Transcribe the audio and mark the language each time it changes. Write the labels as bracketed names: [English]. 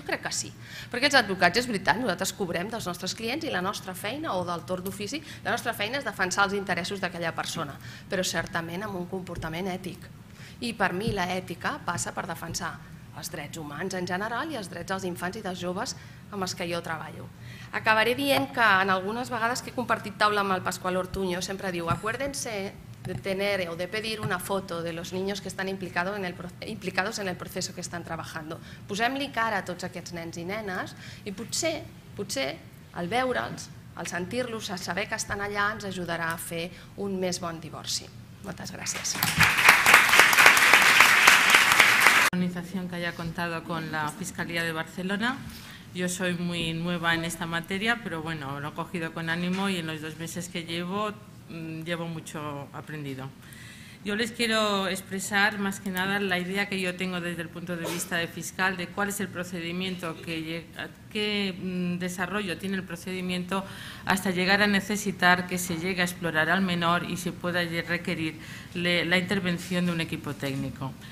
[Catalan] Jo crec que sí, perquè els advocats, és veritat, nosaltres cobrem dels nostres clients i la nostra feina, o del torn d'ofici, la nostra feina és defensar els interessos d'aquella persona, però certament amb un comportament ètic. I per mi l'ètica passa per defensar els drets humans en general i els drets dels infants i dels joves amb els que jo treballo. Acabaré dient que en algunes vegades que he compartit taula amb el Pasqual Ortuño sempre diu [Spanish] acuérdense de tener o de pedir una foto de los niños que están implicados en el proceso que [Catalan] estan treballant. Posem-li cara a tots aquests nens i nenes i potser al veure'ls, al sentir-los, a saber que estan allà, ens ajudarà a fer un més bon divorci. Moltes gràcies. [Spanish] Organización que haya contado con la Fiscalía de Barcelona. Yo soy muy nueva en esta materia, pero bueno, lo he cogido con ánimo y en los dos meses que llevo mucho aprendido. Yo les quiero expresar más que nada la idea que yo tengo desde el punto de vista de fiscal de cuál es el procedimiento, qué desarrollo tiene el procedimiento hasta llegar a necesitar que se llegue a explorar al menor y se pueda requerir la intervención de un equipo técnico.